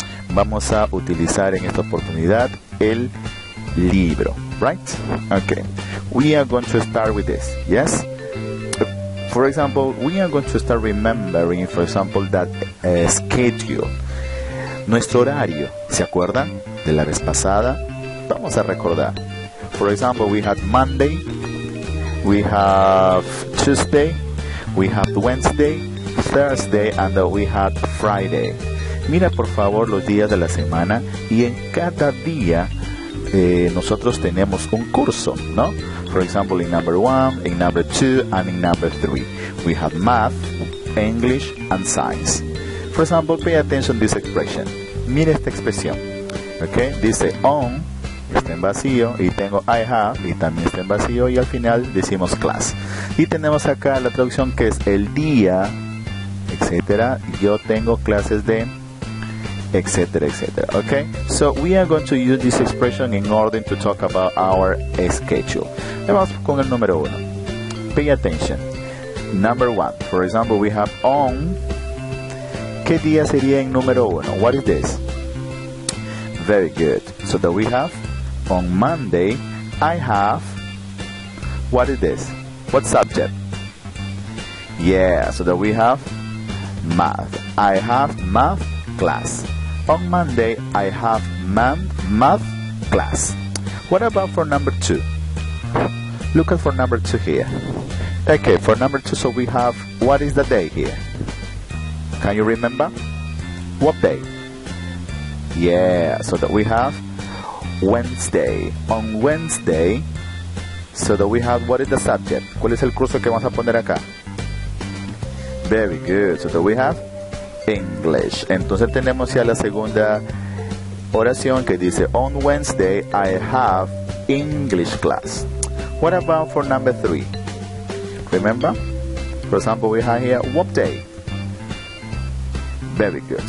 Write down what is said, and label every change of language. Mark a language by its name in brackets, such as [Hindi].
[Spanish] Vamos a utilizar en esta oportunidad el libro, right? [English] Okay, we are going to start with this. Yes, for example, we are going to start remembering, for example, that schedule, [Spanish] nuestro horario. ¿Se acuerdan de la vez pasada? Vamos a recordar. [English] For example, we had Monday, we have Tuesday, we have Wednesday, Thursday, and we had Friday. [Spanish] Mira, por favor, los días de la semana, y en cada día nosotros tenemos un curso, ¿no? [English] For example, in number one, in number two, and in number three. We have math, English, and science. For example, pay attention to this expression. [Spanish] Mira esta expresión. [English] Okay? [Spanish] Dice on, está en vacío, y tengo I have, y también está en vacío, y al final decimos class. Y tenemos acá la traducción que es el día, etcétera. Yo tengo clases de... etcétera, etcétera. [English] Okay, so we are going to use this expression in order to talk about our schedule. [Spanish] Vamos con el número uno. [English] Pay attention. Number one. For example, we have on. [Spanish] ¿Qué día sería en número uno? [English] What is this? Very good. So that we have on Monday. I have. What is this? What subject? Yeah. So that we have math. I have math class. On Monday, I have math class. What about for number two? Look at for number two here. Okay, for number two, so we have, what is the day here? Can you remember? What day? Yeah, so that we have Wednesday. On Wednesday, so that we have, what is the subject? [Spanish] ¿Cuál es el curso que vamos a poner acá? [English] Very good, so that we have English. [Spanish] Entonces tenemos ya la segunda oración que dice [English] on Wednesday I have English class. What about for number three? Remember? For example, we have here what day? Very good.